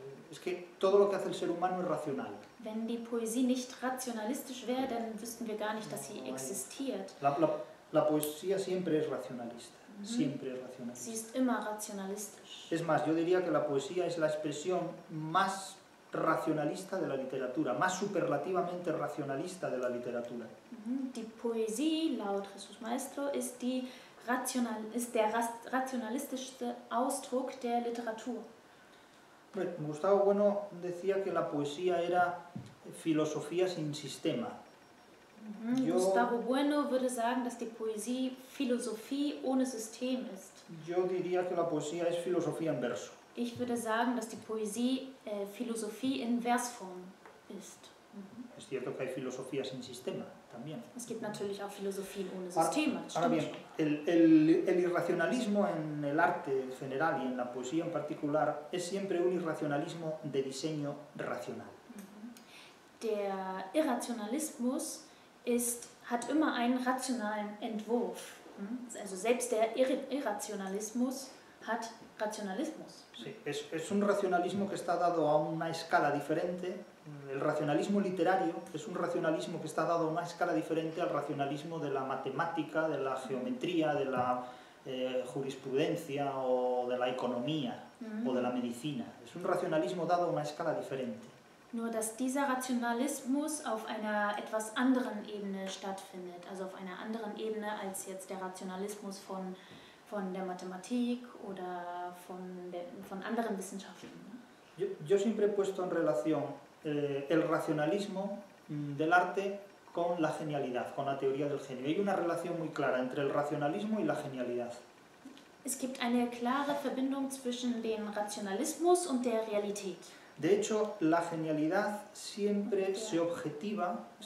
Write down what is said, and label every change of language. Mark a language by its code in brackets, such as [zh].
[es] Es que todo lo que hace el ser humano es racional. [de] Wenn die Poesie nicht rationalistisch wäre, dann wüssten wir gar nicht, dass sie existiert. [es] La poesía siempre es racionalista. Siempre es racionalista. [de] Sie ist immer racionalistisch. [es] Es más, yo diría que la poesía es la expresión más racionalista de la literatura, más superlativamente racionalista de la literatura. [de] Die Poesie, laut Jesús Maestro, ist die rational, ist der rationalistischste Ausdruck der Literatur. [es] Gustavo Bueno decía que la poesía era filosofía sin sistema. [de] Gustavo Bueno würde sagen, dass die Poesie Philosophie ohne System ist. [es] Yo diría que la poesía es filosofía en verso. [de] Ich würde sagen, dass die Poesie Philosophie in Versform ist. [es] Es cierto que hay filosofía sin sistema también. [de] Es gibt natürlich auch Philosophien ohne System. [es] Ahora bien, el irracionalismo en el arte en general y en la poesía en particular es siempre un irracionalismo de diseño racional. [de] Der Irrationalismus hat immer einen rationalen Entwurf. Also selbst der Irrationalismus hat Rationalismus. [es] Sí, es un racionalismo que está dado a una escala diferente. El racionalismo literario es un racionalismo que está dado a una escala diferente al racionalismo de la matemática, de la geometría, de la jurisprudencia o de la economía o de la medicina. Es un racionalismo dado a una escala diferente. [de] Nur dass dieser Rationalismus auf einer etwas anderen Ebene stattfindet, also auf einer anderen Ebene als jetzt der Rationalismus von der Mathematik oder von anderen Wissenschaften. [es] Yo siempre he puesto en relación el racionalismo del arte con la genialidad, con la teoría del genio. Hay una relación muy clara entre el racionalismo y la genialidad. [de] Es gibt eine klare Verbindung zwischen dem Rationalismus und der Realität. [es] De hecho, la genialidad siempre se objetiva.